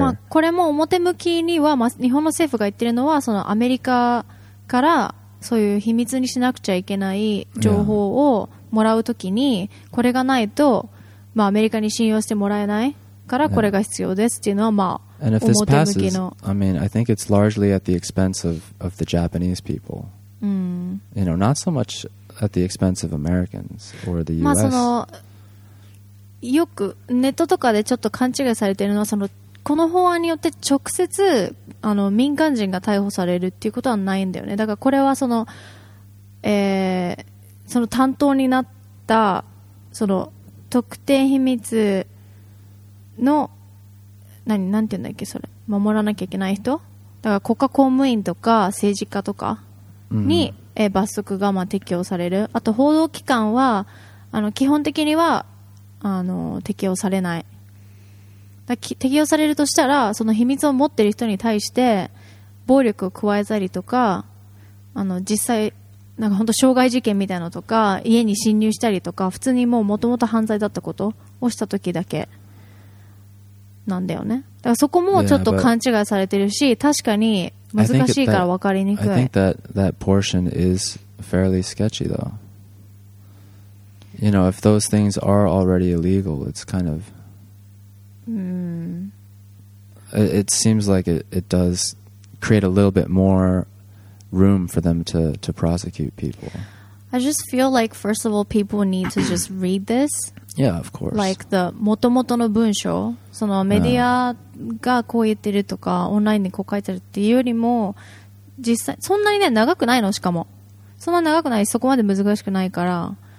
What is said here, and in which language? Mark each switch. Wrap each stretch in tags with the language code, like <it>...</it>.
<ja>まあこれも表向きには、まあ、日本の政府が言ってるのはそのアメリカからそういう秘密にしなくちゃいけない情報をもらうときにこれがないと、まあ、アメリカに信用してもらえないからこれが必要ですっていうのはまあ表向きの</ja> <en>I mean, I think it's largely at the expense of the Japanese people. You know, not so much at the expense of Americans or the US.</en> <ja>まあそのよくネットとかでちょっと勘違いされているのはそのこの法案によって直接あの民間人が逮捕されるっていうことはないんだよね。だからこれはその、その担当になったその特定秘密の何なんて言うんだっけそれ守らなきゃいけない人だから国家公務員とか政治家とかに、うん罰則がまあ適用される。あと報道機関はあの基本的にはあの適用されない。だ適用されるとしたらその秘密を持ってる人に対して暴力を加えたりとかあの実際なんか本当傷害事件みたいなのとか家に侵入したりとか普通にもう元々犯罪だったことをした時だけなんだよね。だからそこもちょっと勘違いされてるし確かに難しいから分かりにくい。</ja> <en>I think that portion is fairly sketchy though. You know, if those things are already illegal, it's kind of... It seems like it does create a little bit more room for them to prosecute people. I just feel like, first of all, people need to just read this. Yeah, of course. Like the</en> <ja>元々の文章、そのメディアがこう言ってるとか、オンラインにこう書いてるっていうよりも、実際、そんなにね、長くないの、しかも。そんな長くない、そこまで難しくないから。</ja>